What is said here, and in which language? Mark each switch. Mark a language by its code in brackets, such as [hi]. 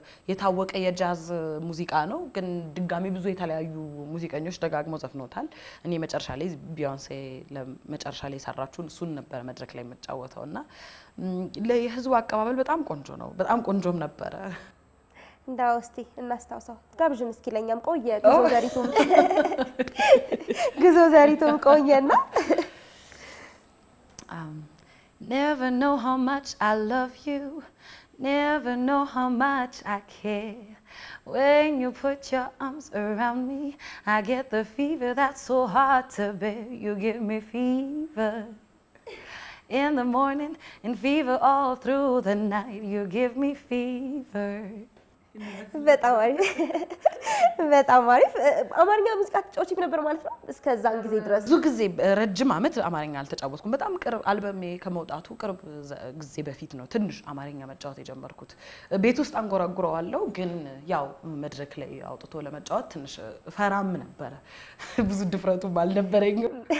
[am] የታወቀ የጃዝ ሙዚቃ ነው፣ ግን ድጋሚ ብዙ የተለያዩ ሙዚቀኞች ደጋግመው ዘፍኖታል። እኔ መጨረሻ ላይ ቢዮንሴ ለመጨረሻ ላይ የሰራችውን እሱን ነበር መድረክ ላይ የምጫወተው እና የህዝቡ አቀባበል በጣም ቆንጆ ነው። በጣም ቆንጆም ነበረ። እንዳው እስቲ እናስታውሰው። ጋብዥን እስኪ ለኛም ቆየ ግዞ ዘሪቱም ቆየና [en] Never know how much I love you. Never know how much I care. When you put your arms around me, I get the fever that's so hard to bear. You give me fever in the morning and fever all through the night. You give me fever. [am] በጣም አሪፍ በጣም አሪፍ። አማርኛ ሙዚቃ ተጫወቼ ነበር ማለት ነው እስከዛን ጊዜ ድረስ? ብዙ ጊዜ ረጅም አመት አማርኛ አልተጫወትኩም። በጣም ቅርብ አልበሜ ከመውጣቱ ቅርብ ጊዜ በፊት ነው ትንሽ አማርኛ መጫወት የጀመርኩት። ቤት ውስጥ አንጎራጉረዋለሁ፣ ግን ያው መድረክ ላይ አውጥቶ ለመጫወት ትንሽ ፈራም ነበረ። ብዙ ድፍረቱም አልነበረኝም።